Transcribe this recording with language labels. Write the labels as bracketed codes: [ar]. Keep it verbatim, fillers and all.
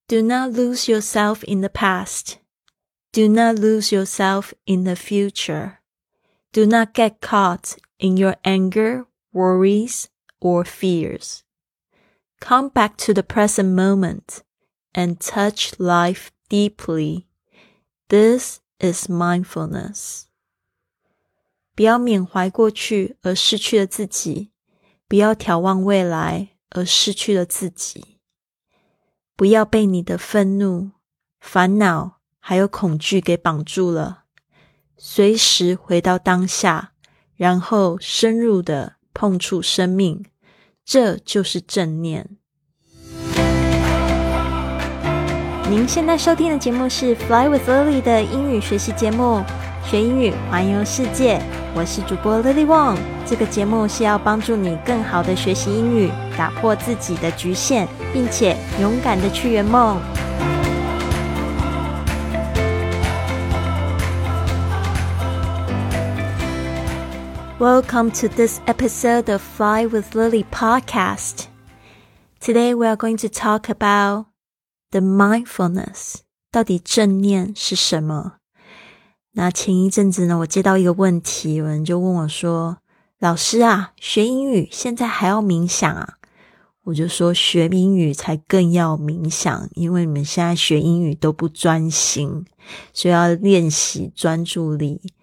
[en] Do not lose yourself in the past. Do not lose yourself in the future. Do not get caught in your anger, worries, or fears. Come back to the present moment and touch life deeply. This is mindfulness. [zh] 不要缅怀过去而失去了自己，不要眺望未来而失去了自己。不要被你的愤怒、烦恼还有恐惧给绑住了。随时回到当下，然后深入地碰触生命，这就是正念。您现在收听的节目是 Fly with Lily 的英语学习节目，学英语环游世界。我是主播 Lily Wong。这个节目是要帮助你更好地学习英语，打破自己的局限，并且勇敢地去圆梦。 [en] Welcome to this episode of Fly with Lily podcast. Today we are going to talk about the mindfulness. [zh] 到底正念是什么？那前一阵子呢，我接到一个问题，有人就问我说，老师啊，学英语现在还要冥想啊？我就说，学英语才更要冥想，因为你们现在学英语都不专心，所以要练习专注力。